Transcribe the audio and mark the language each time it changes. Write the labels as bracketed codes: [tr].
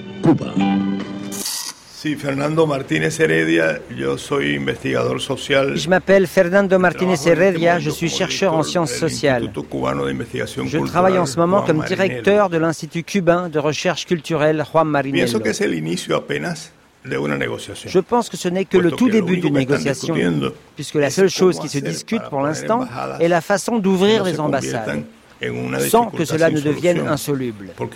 [es] Cuba. Sí, Fernando Martínez Heredia, yo soy investigador social. [fr] Je m'appelle Fernando Martínez Heredia, je suis chercheur en sciences sociales. [es] Instituto Cubano de Investigación [fr] Cultural. Je travaille en ce moment comme directeur de l'Institut Cubain de Recherche Culturelle Juan Marinello. [es] Pienso que es el inicio apenas de una negociación. [fr] Je pense que ce n'est que le tout début d'une négociation, puisque la seule chose qui se discute pour l'instant est la façon d'ouvrir les ambassades. Sans que cela ne devienne insoluble.